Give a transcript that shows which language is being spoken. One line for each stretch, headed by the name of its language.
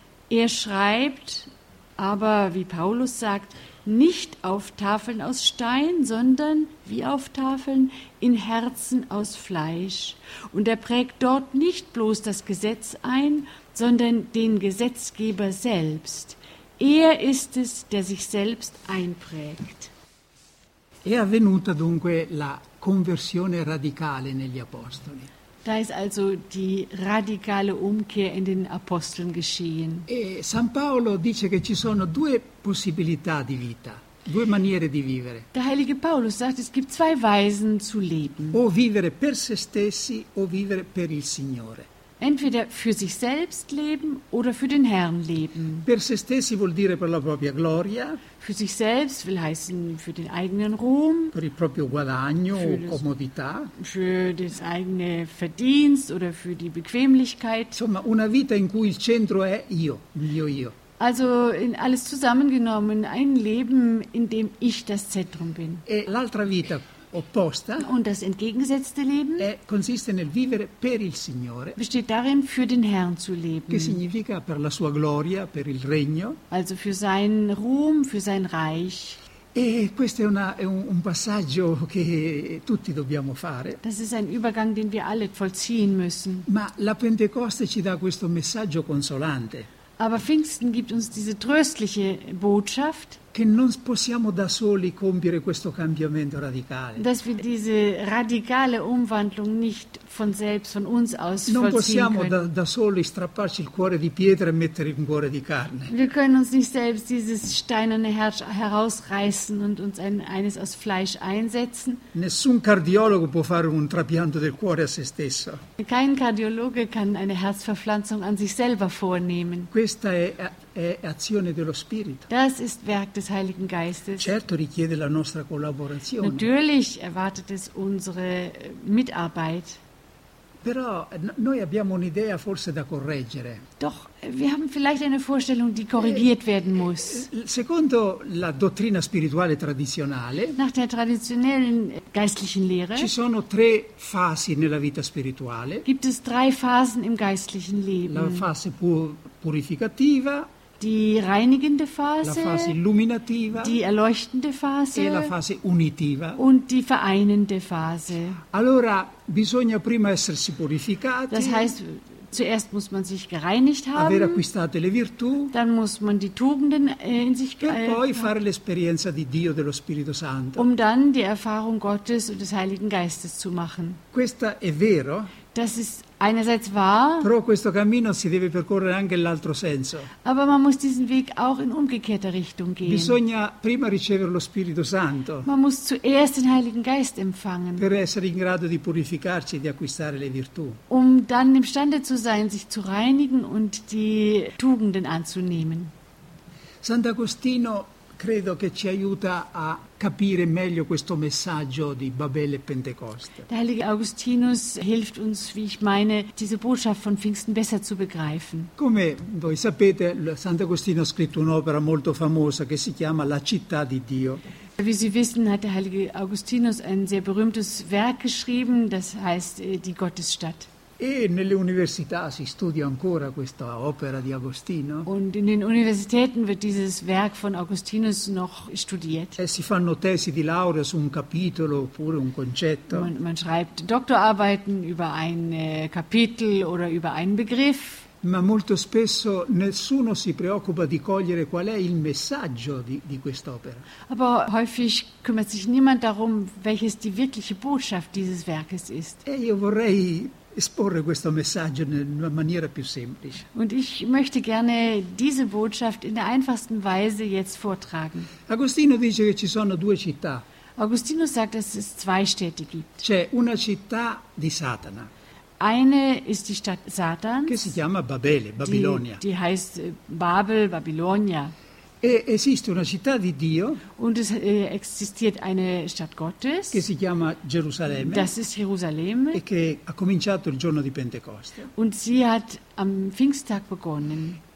German: Er schreibt, aber wie Paulus sagt, nicht auf Tafeln aus Stein, sondern, wie auf Tafeln, in Herzen aus Fleisch. Und er prägt dort nicht bloß das Gesetz ein, sondern den Gesetzgeber selbst. Er ist es, der sich selbst einprägt.
Italian: È avvenuta dunque la conversione radicale negli apostoli.
German: Da ist also die radikale Umkehr in den Aposteln geschehen.
Italian: E San Paolo dice che ci sono due possibilità di vita, due maniere di vivere.
German: Der heilige Paulus sagt, es gibt zwei Weisen zu leben.
Italian: O vivere per se stessi o vivere per il Signore.
German: Entweder für sich selbst leben oder für den Herrn leben.
Italian: Per se stessi vuol dire per la propria gloria.
German: Für sich selbst will heißen für den eigenen Ruhm.
Italian: Per il proprio guadagno o comodità.
German: Für das eigene Verdienst oder für die Bequemlichkeit.
Italian: Insomma, una vita in cui il centro è io, mio io.
German: Also in alles zusammengenommen, ein Leben, in dem ich das Zentrum bin.
Italian: E l'altra vita. Opposta,
German: und das entgegengesetzte Leben
Italian: consiste nel vivere per il Signore,
German: besteht darin, für den Herrn zu leben.
Italian: Che significa per la sua gloria, per il regno.
German: Also für seinen Ruhm, für sein Reich.
Italian: E questo è un passaggio che tutti dobbiamo fare.
German: Das ist ein Übergang, den wir alle vollziehen müssen.
Italian: Ma la Pentecoste ci dà questo messaggio consolante.
German: Aber Pfingsten gibt uns diese tröstliche Botschaft.
Italian: che non possiamo da soli compiere questo cambiamento radicale.
German: Dass wir diese radikale Umwandlung nicht von selbst, von uns aus vollziehen können.
Italian: Non possiamo da soli strapparci il cuore di pietra e mettere un cuore di carne.
German: Wir können uns nicht selbst dieses steinerne Herz herausreißen und uns eines aus Fleisch einsetzen.
Italian: Nessun cardiologo può fare un trapianto del cuore a se stesso.
German: Kein Kardiologe kann eine Herzverpflanzung an sich selber vornehmen.
Italian: Questa è azione dello Spirito.
German: Das ist Werk des Heiligen Geistes.
Italian: Certo richiede la nostra collaborazione.
German: Natürlich erwartet es unsere Mitarbeit.
Italian: Però noi abbiamo un'idea forse da correggere.
German: Doch, wir haben vielleicht eine Vorstellung, die korrigiert werden muss.
Italian: Secondo la dottrina spirituale tradizionale,
German: nach der traditionellen geistlichen Lehre,
Italian: ci sono tre fasi nella vita spirituale.
German: Gibt es drei Phasen im geistlichen Leben.
Italian: La fase purificativa,
German: die reinigende Phase,
Italian: la fase illuminativa,
German: die erleuchtende Phase,
Italian: e la fase unitiva,
German: und die vereinende Phase.
Italian: Allora, bisogna prima essersi purificati.
German: Das heißt, zuerst muss man sich gereinigt haben.
Italian: Aver acquistate le virtù.
German: Dann muss man die Tugenden in sich gehalten.
Italian: E poi fare l'esperienza di Dio dello Spirito Santo.
German: Um dann die Erfahrung Gottes und des Heiligen Geistes zu machen.
Italian: Questa è vero.
German: Das ist einerseits wahr.
Italian: Però questo cammino si deve percorrere anche l'altro senso.
German: Aber man muss diesen Weg auch in umgekehrter Richtung gehen.
Italian: Bisogna prima ricevere lo Spirito Santo.
German: Man muss zuerst den Heiligen Geist empfangen.
Italian: Per essere in grado di purificarci e di acquistare le virtù.
German: Um dann imstande zu sein, sich zu reinigen und die Tugenden anzunehmen.
Italian: Sant'Agostino credo che ci aiuta a capire meglio questo messaggio di Babele e Pentecoste.
German: Der heilige Augustinus hilft uns, wie ich meine, diese Botschaft von Pfingsten besser zu begreifen.
Italian: Come voi sapete, Sant'Agostino ha scritto un'opera molto famosa che si chiama La città di Dio.
German: Wie Sie wissen, hat der heilige Augustinus ein sehr berühmtes Werk geschrieben, das heißt Die Gottesstadt.
Italian: E nelle università si studia ancora questa opera di Agostino.
German: Und in den Universitäten wird dieses Werk von Augustinus noch studiert.
Italian: E si fanno tesi di laurea su un capitolo oppure un concetto.
German: Man schreibt Doktorarbeiten über ein Kapitel oder über einen Begriff.
Italian: Ma molto spesso nessuno si preoccupa di cogliere qual è il messaggio di quest'opera.
German: Aber häufig kümmert sich niemand darum, welches die wirkliche Botschaft dieses Werkes ist.
Italian: E io vorrei esporre questo messaggio in una maniera più semplice.
German: Und ich möchte gerne diese Botschaft in der einfachsten Weise jetzt vortragen.
Italian: Agostino dice che ci sono due città.
German: Augustino sagt, dass es zwei Städte gibt.
Italian: C'è una città di Satana.
German: Eine ist die Stadt Satans.
Italian: Che si chiama Babele, Babilonia.
German: Die heißt Babel, Babilonia.
Italian: E esiste una città di Dio.
German: Und es existiert eine Stadt Gottes.
Italian: Che si chiama Gerusalemme.
German: Das ist Jerusalem.
Italian: E che ha cominciato il giorno di Pentecoste.
German: Und sie hat am Pfingsttag begonnen.